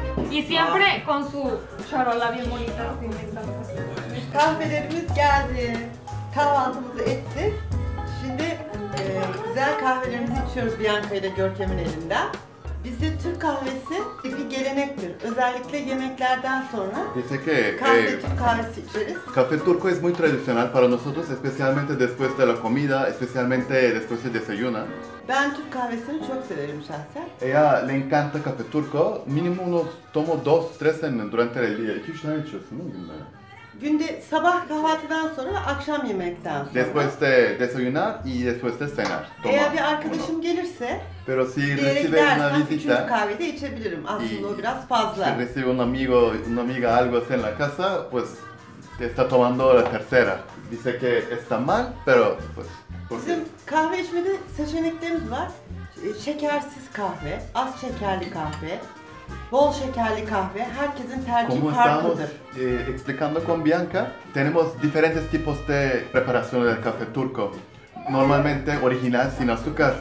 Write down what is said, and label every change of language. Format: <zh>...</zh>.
<es>Y siempre con su charola bien bonita.</es> <tr>Kahvelerimiz geldi. Kahvaltımızı ettik. Şimdi güzel kahvelerimizi içiyoruz Bianca ile Görkem'in elinden. Bizde Türk kahvesi bir gelenektir. Özellikle yemeklerden sonra Türk kahvesi içeriz.</tr> <es>Café turco es muy tradicional para nosotros, especialmente después de la comida, especialmente después de desayuno.</es> <tr>Ben Türk kahvesini çok severim şahsen.</tr> <es>Ella le encanta café turco. Mínimo unos tomo dos, tres en durante el día.</es> <tr>2-3 tane içiyorsun değil mi günde? Günde sabah kahvaltıdan sonra akşam yemekten sonra.</tr> <es>Después de desayunar y después de cenar. Toma.</es> <tr>Eğer bir arkadaşım gelirse.</tr> <es>Pero si recibe una visita.</es> <tr>Üçüncü kahvede içebilirim. Aslında o biraz fazla.</tr> <es>Si recibe un amigo, una amiga, algo en la casa, pues te está tomando la tercera. Dice que está mal, pero pues.</es> <tr>Bizim kahve içmede seçeneklerimiz var. Şekersiz kahve, az şekerli kahve, bol şekerli kahve. Herkesin tercihi</tr> <es>como</es> <tr>farklıdır.</tr> <es>Como estamos explicando con Bianca, tenemos diferentes tipos de preparaciones del café turco. normalmente orijinal sin azúcar.</es>